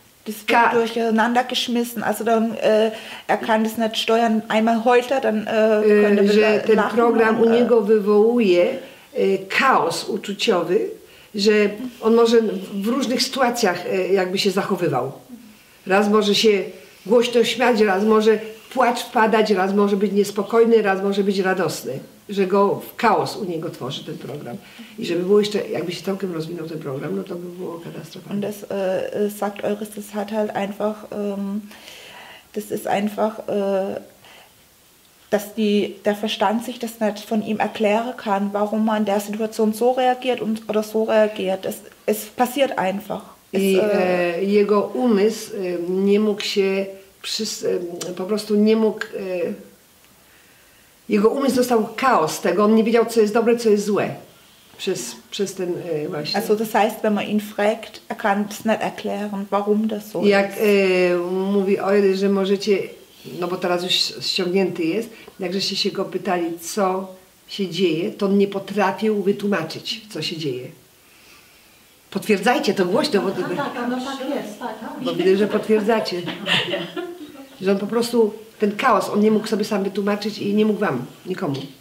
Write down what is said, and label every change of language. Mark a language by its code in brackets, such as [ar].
[de] Das wird durcheinander geschmissen, also dann, er kann das nicht steuern, einmal heute, dann [pl] Że ten program u niego wywołuje chaos uczuciowy, że on może w różnych sytuacjach jakby się zachowywał. Raz może się głośno śmiać, raz może płacz wpadać, raz może być niespokojny, raz może być radosny. Że go w chaos u niego tworzy ten program. I żeby było jeszcze, jakby się całkiem rozwinął ten program, no to by było katastrofalne. [de] Und das sagt eures, das hat halt einfach, das ist einfach, dass der Verstand sich das nicht von ihm erklären kann, warum man der Situation so reagiert und oder so reagiert. Es passiert einfach. [pl] Jego umysł nie mógł się po prostu nie mógł. Jego umysł dostał chaos tego, on nie wiedział, co jest dobre, co jest złe. Przez ten właśnie. [de] Also das heißt, wenn man ihn fragt, er kann es nicht erklären, warum das so ist. [pl] Jak mówi Ojry, że możecie, no bo teraz już ściągnięty jest, jakżeście się go pytali, co się dzieje, to on nie potrafił wytłumaczyć, co się dzieje. Potwierdzajcie to głośno, bo... Tak, tak, no tak jest, tak. Bo widzę, że potwierdzacie. Że on po prostu, ten chaos, on nie mógł sobie sam wytłumaczyć i nie mógł wam, nikomu.